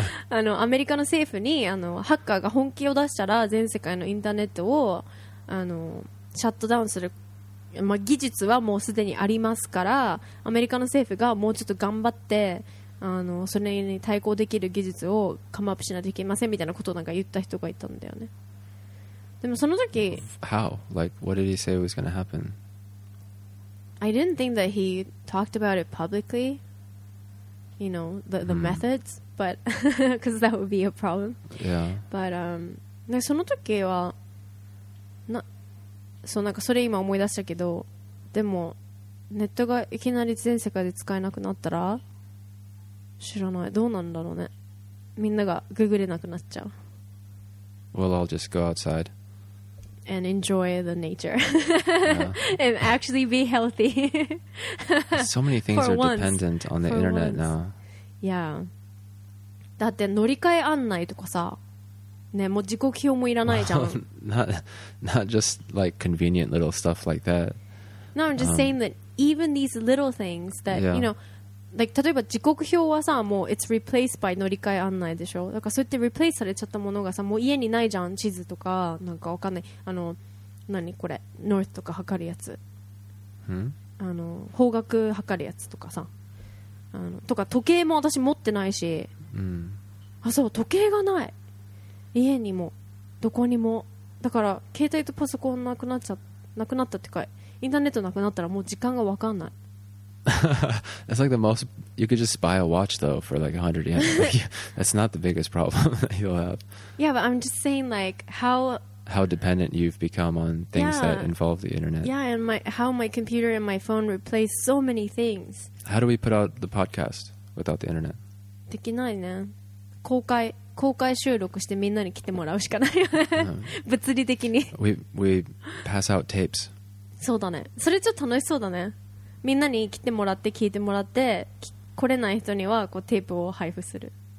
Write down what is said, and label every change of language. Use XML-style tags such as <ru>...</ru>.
<ja>あの、アメリカの政府に、あの、ハッカーが本気を出したら、全世界のインターネットを、あの、シャットダウンする。まあ、技術はもうすでにありますから、アメリカの政府がもうちょっと頑張って、あのそれに対抗できる技術をカムアップしないといけませんみたいなことをなんか言った人がいたんだよね。でもその時、</ja> <en>How? Like, what did he say was going to happen? I didn't think that he talked about it publicly. You know, the methods, but because that would be a problem. Yeah.</en> <ja>But でその時は、な。そう、なんかそれ今思い出したけど、でもネットがいきなり全世界で使えなくなったら、知らない、どうなんだろうね、みんながググれなくなっちゃう。</ja> <en>Well, I'll just go outside and enjoy the nature. Yeah. And actually be healthy. So many things are dependent on the internet now. Yeah.</en> <ja>だって乗り換え案内とかさ、ね、もう自己記憶もいらないじゃん。</ja> <en>not just like convenient little stuff like that. No, I'm just saying that even these little things that, yeah. you know, like, 例えば時刻表はさ、もう it's replaced by 乗り換え案内でしょ。</en> <ja>だからそうやって replace されちゃったものがさ、もう家にないじゃん。地図とか、なんかわかんない。あの、何これ、north とか測るやつ。あの、方角測るやつとかさ。あの、とか時計も私持ってないし。あ、そう、時計がない。家にも、どこにも。だから携帯とパソコンなくなっちゃ、なくなったってか、インターネットなくなったらもう時間がわかんない。</ja> <en>That's like the most. You could just buy a watch though for like 100 yen. That's not the biggest problem that you'll have. Yeah, but I'm just saying like how dependent you've become on things yeah, that involve the internet. Yeah, and how my computer and my phone replace so many things. How do we put out the podcast without the internet?</en> <ja>できないね。公開収録してみんなに来てもらうしかないよね。物理的に。</ja> <en>We pass out tapes.</en> <ja>そうだね。それちょっと楽しそうだね。みんなに来てもらって聞いてもらって、来れない人にはこうテープを配布する。</ja>